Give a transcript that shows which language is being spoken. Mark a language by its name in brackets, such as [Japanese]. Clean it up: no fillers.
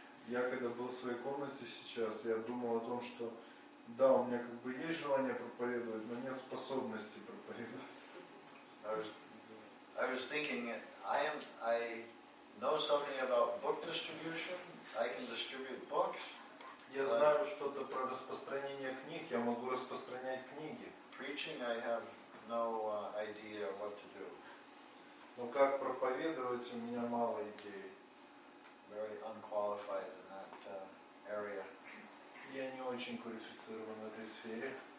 [Russian] Я когда был в своей комнате сейчас, я думал о том, что да, у меня как бы есть желание проповедовать, но нет способности проповедовать. [English] I was thinking, I know something about book distribution, I can distribute books. [Russian] Я знаю что-то про распространение книг, я могу распространять книги. [English] Preaching, I have no idea what to do. [Russian] Но как проповедовать, у меня мало идей. [English] Very unqualified in that area. [Russian] Я не очень квалифицирован в этой сфере.